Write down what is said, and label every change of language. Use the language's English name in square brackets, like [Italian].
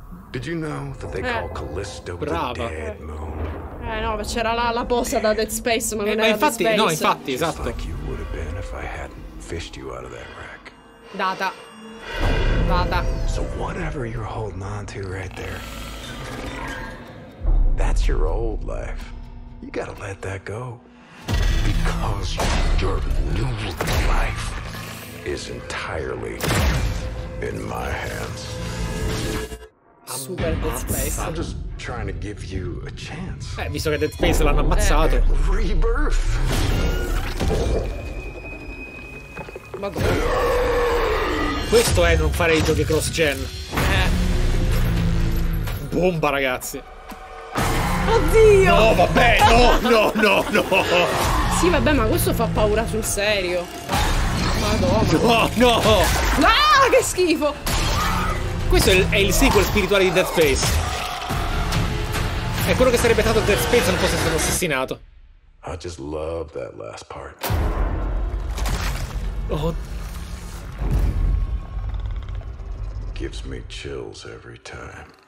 [English] Did you know that they call Callisto the dead moon? [Italian] No, ma c'era la bossa da Dead Space, ma non era infatti, Dead Space. No, infatti, esatto. [English] Like you would have been if I hadn't fished you out of that wreck. Data. So whatever you're holding on to right there, that's your old life. You gotta let that go. Because your new life is entirely in my hands. Super Dead Space. I'm just trying to give you a chance. [Italian] Visto che Dead Space l'hanno ammazzato. [English] Rebirth. [Italian] Ma come? Questo è non fare i giochi cross gen. Bomba, ragazzi. Oddio. No, vabbè, no. Sì, vabbè, ma questo fa paura sul serio. No! Ah, che schifo! Questo è il sequel spirituale di Dead Space. È quello che sarebbe stato Dead Space se non fosse stato assassinato. [English] I just love that last part. Oh. Gives me chills every time.